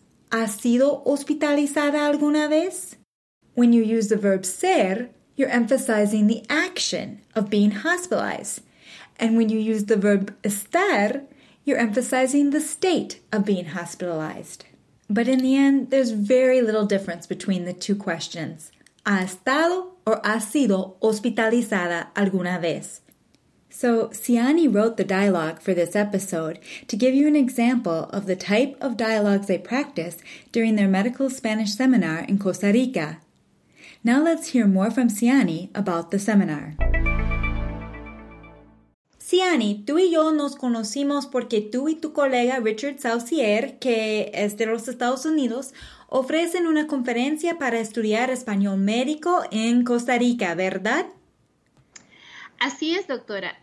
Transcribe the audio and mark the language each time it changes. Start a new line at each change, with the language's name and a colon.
Spanish: ¿Ha sido hospitalizada alguna vez?
English: When you use the verb ser, you're emphasizing the action of being hospitalized. And when you use the verb estar, you're emphasizing the state of being hospitalized. But in the end, there's very little difference between the two questions.
Spanish: ¿Ha estado o ha sido hospitalizada alguna vez?
English: So, Siani wrote the dialogue for this episode to give you an example of the type of dialogues they practice during their medical Spanish seminar in Costa Rica. Now let's hear more from Siani about the seminar.
Spanish: Siani, tú y yo nos conocimos porque tú y tu colega Richard Saucier, que es de los Estados Unidos, ofrecen una conferencia para estudiar español médico en Costa Rica, ¿verdad? Así es, doctora.